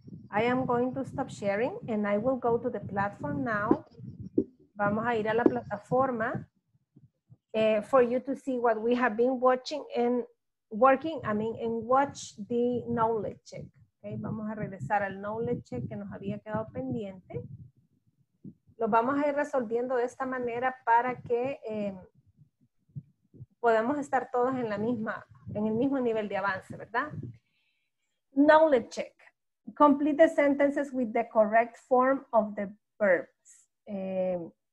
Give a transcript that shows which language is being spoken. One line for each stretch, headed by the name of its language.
English: I am going to stop sharing and I will go to the platform now.
Spanish: Vamos a ir a la plataforma
English: for you to see what we have been watching and working, I mean, and watch the knowledge check.
Spanish: Okay, vamos a regresar al knowledge check que nos había quedado pendiente. Lo vamos a ir resolviendo de esta manera para que podamos estar todos en la misma, en el mismo nivel de avance, ¿verdad?
English: Knowledge check. Complete the sentences with the correct form of the verbs.